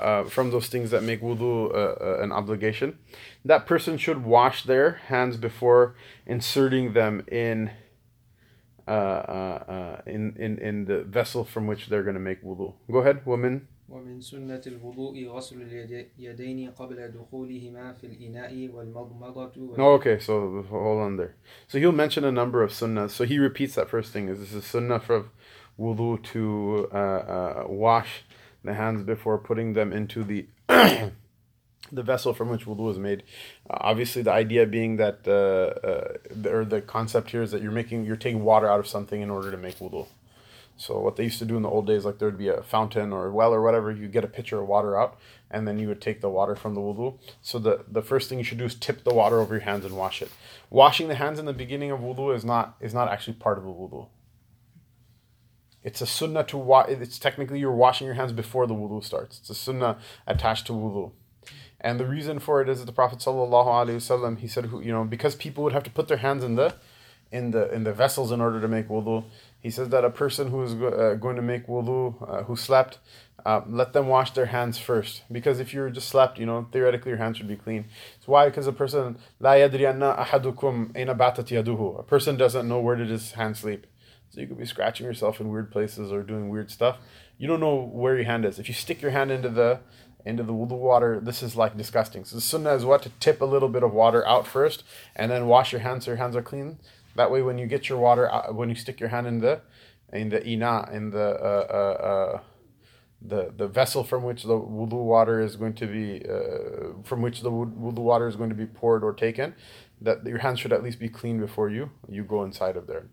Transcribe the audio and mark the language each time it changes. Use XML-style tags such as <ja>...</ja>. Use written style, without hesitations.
<en>from those things that make wudu an obligation, that person should wash their hands before inserting them in the vessel from which they're going to make wudu. Go ahead, woman.</en> <ar>ومن سنة الوضوء غسل اليدين قبل دخولهما في الإناء والمضمضة.</ar> <en>No, okay, so hold on there. So he'll mention a number of sunnahs. So he repeats that first thing. This is a sunnah for wudu to wash the hands before putting them into the the vessel from which wudu is made. Obviously, the idea being that the concept here is that you're taking water out of something in order to make wudu. So what they used to do in the old days, like there would be a fountain or a well or whatever, you get a pitcher of water out, and then you would take the water from the wudu. So the first thing you should do is tip the water over your hands and wash it. Washing the hands in the beginning of wudu is not actually part of the wudu. It's a sunnah to wash. It's technically you're washing your hands before the wudu starts. It's a sunnah attached to wudu. And the reason for it is that the Prophet sallallahu alaihi wasallam, he said, you know, because people would have to put their hands in the vessels in order to make wudu, he says that a person who is going to make wudu, who slept, let them wash their hands first. Because if you just slept, you know, theoretically your hands should be clean. So why? Because a person,</en> <ar>لا يدري أن أحدكم أين باتت يده.</ar> <en>A person doesn't know where did his hand sleep. So you could be scratching yourself in weird places or doing weird stuff. You don't know where your hand is. If you stick your hand into the wudu water, this is like disgusting. So the sunnah is what? To tip a little bit of water out first and then wash your hands so your hands are clean. That way when you get your water, when you stick your hand in the ina, the vessel from which the wudu water is going to be, from which the wudu water is going to be poured or taken, that your hands should at least be clean before you go inside of there.</en>